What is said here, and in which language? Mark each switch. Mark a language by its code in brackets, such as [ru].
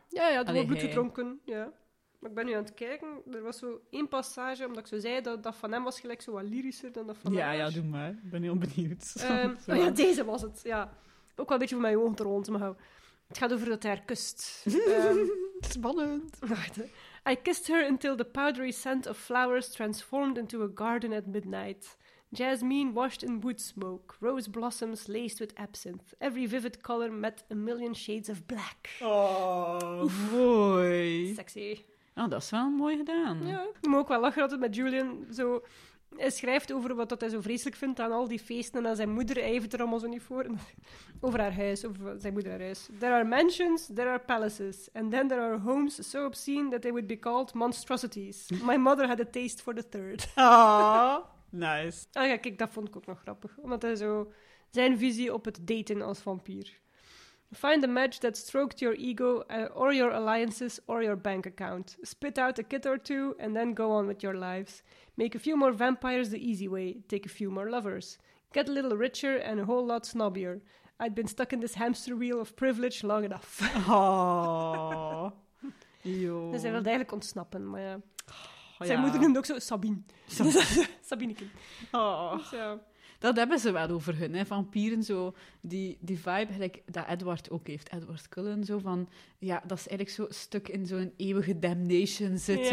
[nl] er wordt bloed gedronken, ja. Maar ik ben nu aan het kijken, er was zo één passage, omdat ik zo zei, dat van hem was gelijk zo wat lyrischer dan dat van ja, haar. Ja, doe maar, ik ben heel benieuwd. Oh ja, deze was het, ja. Ook wel een beetje voor mijn ogen te rond, maar het gaat over dat hij haar kust. Spannend. [en] I kissed her until the powdery scent of flowers transformed into a garden at midnight. Jasmine washed in wood smoke. Rose blossoms laced with absinthe. Every vivid color met a million shades of black. [nl] Oh, mooi. Sexy. Oh, dat is wel mooi gedaan. Ja, ik moet ook wel lachen altijd met Julian zo... Hij schrijft over wat hij zo vreselijk vindt aan al die feesten en aan zijn moeder. Hij heeft er allemaal zo niet voor. Over haar huis, over zijn moeder haar huis. [en] There are mansions, there are palaces. And then there are homes so obscene that they would be called monstrosities. My mother had a taste for the third. Aww. Nice. [nl] Ah ja, kijk, dat vond ik ook nog grappig. Omdat hij zo zijn visie op het daten als vampier. [en] Find a match that stroked your ego or your alliances or your bank account. Spit out a kid or two and then go on with your lives. Make a few more vampires the easy way. Take a few more lovers. Get a little richer and a whole lot snobbier. I'd been stuck in this hamster wheel of privilege long enough. Oh, [nl] dus hij wilde eigenlijk ontsnappen, maar ja. Zijn moeder noemde ook zo Sabine. Sabineke. Oh. Dat hebben ze wel over hun, hè. Vampieren, zo, die vibe like, dat Edward ook heeft, Edward Cullen. Zo, van, ja, dat is eigenlijk zo stuk in zo'n eeuwige damnation zitten.